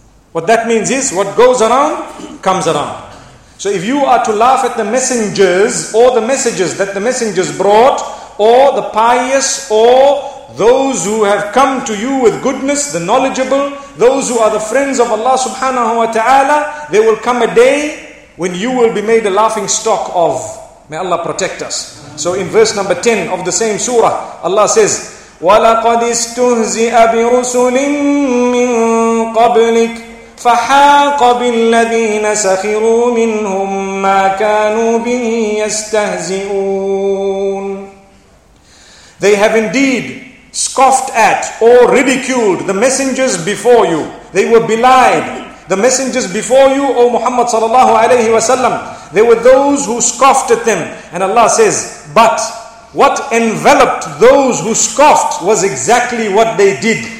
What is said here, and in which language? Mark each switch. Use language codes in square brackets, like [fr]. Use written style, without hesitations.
[en] What that means is, what goes around, comes around. So if you are to laugh at the messengers, or the messages that the messengers brought, or the pious, or those who have come to you with goodness, the knowledgeable, those who are the friends of Allah subhanahu wa ta'ala, there will come a day when you will be made a laughing stock of. May Allah protect us. So in verse number 10 of the same surah, Allah says, [ar] وَلَقَدْ اسْتُهْزِئَ بِرُسُلٍ مِّن قَبْلِكَ فَحَاقَ بِالَّذِينَ سَخِرُوا مِنْهُمْ مَا كَانُوا بِهِ يَسْتَهْزِئُونَ. [en] They have indeed scoffed at or ridiculed the messengers before you. They were belied. The messengers before you, O Muhammad sallallahu alayhi wa sallam, there were those who scoffed at them. And Allah says, but what enveloped those who scoffed was exactly what they did.